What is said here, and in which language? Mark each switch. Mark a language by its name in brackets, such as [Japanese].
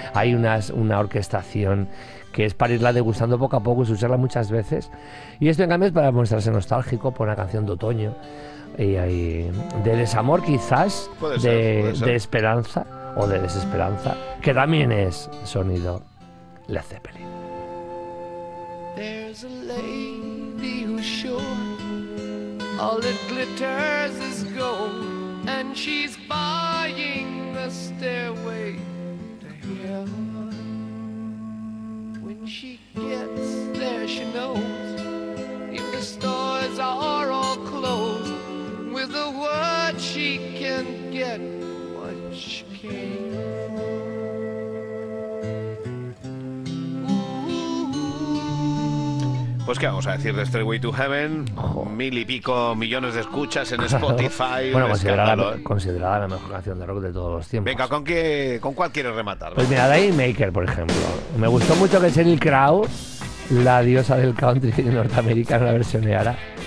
[Spanish] Hay una orquestación que es para irla degustando poco a poco y usarla muchas veces. Y esto, en cambio, es para mostrarse nostálgico por una canción de otoño. Y de desamor quizás, puede ser. De esperanza o de desesperanza, que también es sonido Led Zeppelin. [English] There's a lady who's sure all it glitters is gold, and she's buying the stairway to heaven. When she gets there she knows if the stores are all closed. With a word she can get what she came for. [Spanish] Pues qué vamos a decir de Stairway to Heaven, mil y pico millones de escuchas en Spotify. Bueno, considerada la mejor canción de rock de todos los tiempos. Venga, ¿con cuál quieres rematar? Pues mira, Dave Maker, por ejemplo. Me gustó mucho que Sheryl Crow, la diosa del country norteamericana, la versioneara.